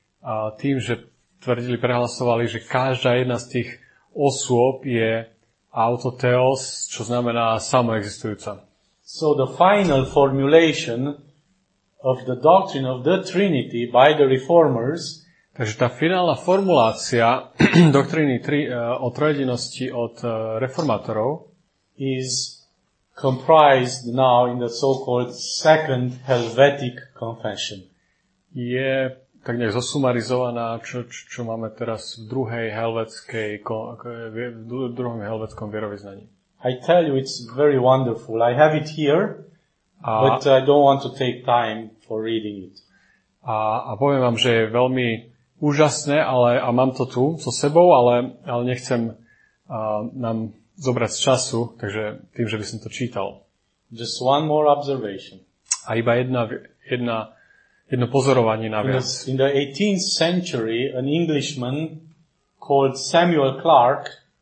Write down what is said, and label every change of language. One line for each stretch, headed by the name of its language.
Slovak: A tým, že tvrdili, prehlasovali, že každá jedna z tých osôb je autotheos, čo znamená samoexistujúca.
English: So the final formulation of the doctrine of the Trinity by the reformers.
Slovak: Takže tá finálna formulácia doktríny o trojedinosti od reformátorov
English: is comprised now in the so-called Second Helvetic Confession.
Slovak: Je tak nejak zosumarizovaná, čo máme teraz v druhej helvetskej druhom helvetskom vierovyznaní.
English: I tell you it's very wonderful. I have it here, but I don't want to take time for reading it.
Slovak: A poviem vám, že je veľmi úžasné, ale a mám to tu so sebou, ale nechcem nám zobrať z času, takže tým, že by som to čítal.
English: Just one more observation.
Slovak: A iba jedno pozorovanie naviac.
English: In the 18th century, an Englishman called Samuel Clark.